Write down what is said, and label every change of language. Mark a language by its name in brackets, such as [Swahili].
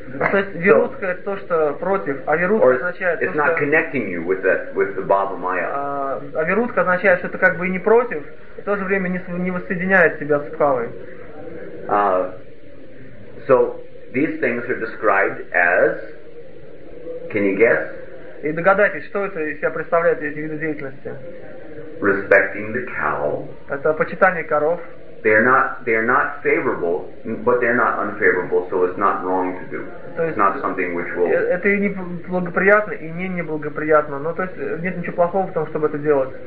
[Russian] So, virudha — это то, что против, а virudha означает, [English] it's not connecting you with that with the Baba Maya. [Russian] А virudha означает, что это как бы и не против, и в то же время не воссоединяет тебя с Бхавой. [English] So these things are described as. Can you guess? [Russian] И догадайтесь, что это из себя представляет эти виды деятельности? [English] Respecting the cow. [Russian] Это почитание коров. [English] They're not favorable, but they're not unfavorable, so it's not wrong to do. [Russian] То есть, [English] it's not something which will. [Russian] Это и не благоприятно, и не неблагоприятно. Но то есть нет ничего плохого в том, чтобы это делать.